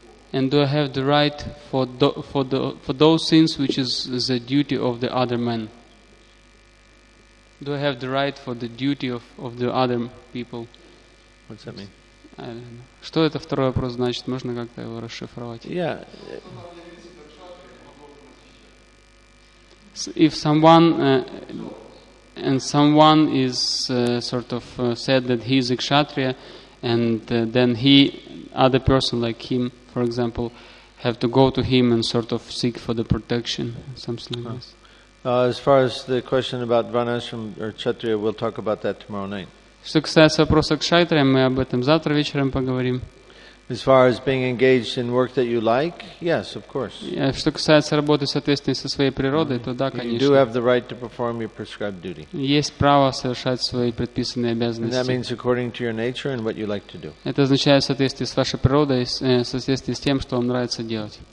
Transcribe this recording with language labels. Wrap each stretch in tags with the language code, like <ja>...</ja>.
<en>And do I have the right for those sins which is the duty of the other man? Do I have the right for the duty of the other people? What's that mean? I don't know.</en> <ru>Что это второй вопрос значит? Можно как-то его расшифровать?</ru> <en>Yeah. If someone and someone is sort of said that he is a kshatriya, and then he, other person like him, for example, have to go to him and sort of seek for the protection, something like this. As far as the question about varnashram or kshatriya, we'll talk about that tomorrow night.</en> <ru>Что касается вопроса кшатрия, мы об этом завтра вечером поговорим.</ru> <en>As far as being engaged in work that you like, yes, of course.</en> <ru>Что касается работы в соответствии со своей природой, то да, конечно.</ru> <en>You do have the right to perform your prescribed duty.</en> <ru>Есть право совершать свои предписанные обязанности.</ru> <en>And that means according to your nature and what you like to do.</en> <ru>Это означает в соответствии с вашей природой, в соответствии с тем, что вам нравится делать.</ru>